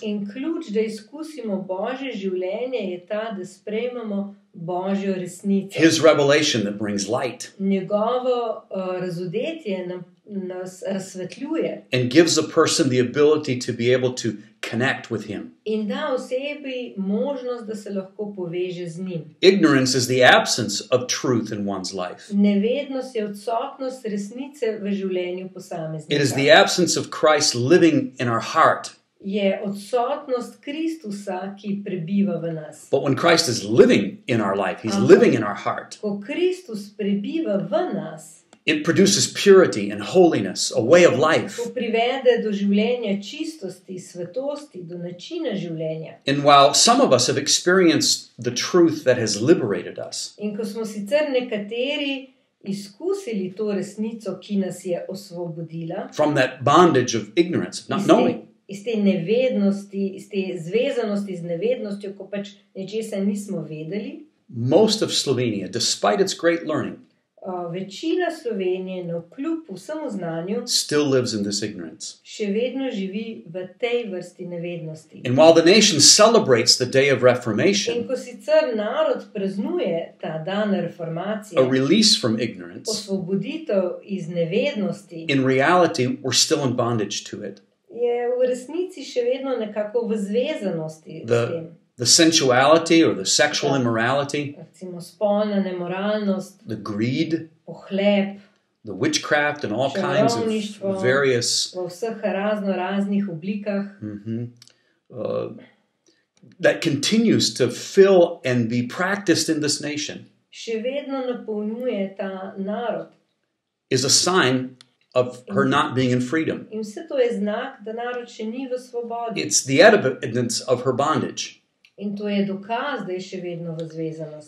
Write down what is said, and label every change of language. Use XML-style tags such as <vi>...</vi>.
<sl>In ključ, da izkusimo Božje življenje, je ta, da sprejmemo Božjo resnico.</sl> <en>His revelation that brings light.</en> <sl>Njegovo razodetje nas razsvetljuje.</sl> <en>And gives a person the ability to be able to connect with him.</en> <sl>In da osebi možnost, da se lahko poveže z njim.</sl> <en>Ignorance is the absence of truth in one's life.</en> <sl>Nevednost je odsotnost resnice v življenju posameznika.</sl> <en>It is the absence of Christ living in our heart.</en> <sl>Je odsotnost Kristusa, ki prebiva v nas.</sl> <en>But when Christ is living in our life, he's living in our heart.</en> <sl>Ko Kristus prebiva v nas,</sl> <en>it produces purity and holiness, a way of life.</en> <sl>To privede do življenja čistosti, svetosti, do načina življenja.</sl> <en>And while some of us have experienced the truth that has liberated us.</en> <sl>In ko smo sicer nekateri izkusili to resnico, ki nas je osvobodila.</sl> <en>From that bondage of ignorance, not knowing.</en> <sl>Iz te nevednosti, iz te zvezanosti z nevednostjo, ko pač nečesa nismo vedeli.</sl> <en>Most of Slovenia, despite its great learning,</en> <sl>Večina Slovenije, no kljub vsemu znanju,</sl> <en>still lives in this ignorance.</en> <sl>Še vedno živi v tej vrsti nevednosti.</sl> <en>And while the nation celebrates the day of Reformation,</en> <sl>in ko sicer narod praznuje ta dan reformacije,</sl> <en>a release from ignorance,</en> <sl>osvoboditev iz nevednosti,</sl> <en>in reality, we're still in bondage to it.</en> <sl>Je v resnici še vedno nekako v zvezanosti s tem.</sl> <en>The sensuality or the sexual immorality,</en> <sl>recimo spolna nemoralnost,</sl> <en>the greed,</en> <sl>pohlep,</sl> <en>the witchcraft and all kinds of various</en> <sl>po vseh razno raznih oblikah,</sl> <en>that continues to fill and be practiced in this nation,</en> <sl>še vedno napolnjuje ta narod,</sl> <en>is a sign of her not being in freedom.</en> <sl>In vse to je znak, da narod še ni v svobodi.</sl> <en>It's the evidence of her bondage.</en> <sl>In to je dokaz, da je še vedno v zvezanosti.</sl>